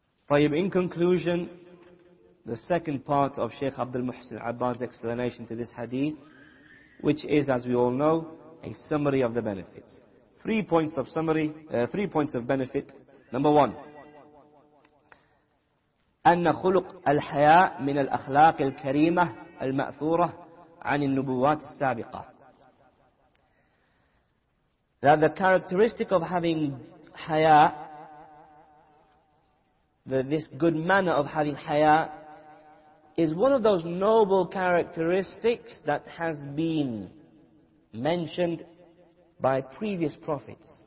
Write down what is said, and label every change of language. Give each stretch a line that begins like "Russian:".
English: Tayyib, in conclusion, the second part of Shaykh Abdul Muhsin Abbas' explanation to this hadith, which is, as we all know, a summary of the benefits. Three points of benefit. Number one,
Arabic: أن خلق الحياء من الأخلاق الكريمة المأثورة عن النبوات السابقة.
English: That the characteristic of having حياء, this good manner of having حياء, is one of those noble characteristics that has been mentioned by previous prophets.